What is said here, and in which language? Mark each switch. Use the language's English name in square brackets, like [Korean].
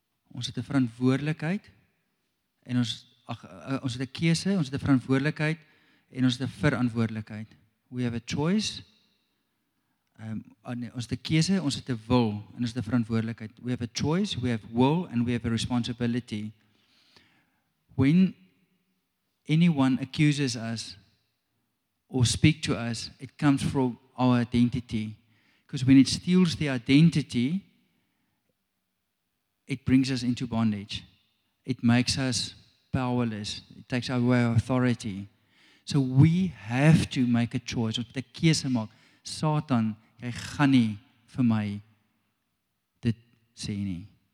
[Afrikaans] Ons het 'n verantwoordelikheid en ons het 'n keuse, ons het 'n verantwoordelikheid en ons het 'n verantwoordelikheid. [English] We have a choice. [Afrikaans] Ons het 'n keuse, ons het 'n wil en ons het 'n verantwoordelikheid. [English] We have a choice, we have will and we have a responsibility. When anyone accuses us or speak to us, it comes from our identity. Because when it steals the identity, it brings us into bondage. It makes us powerless. It takes away our authority. So we have to make a choice. [Afrikaans] Ons moet 'n keuse maak. Satan, jy gaan nie vir my dit sê nie.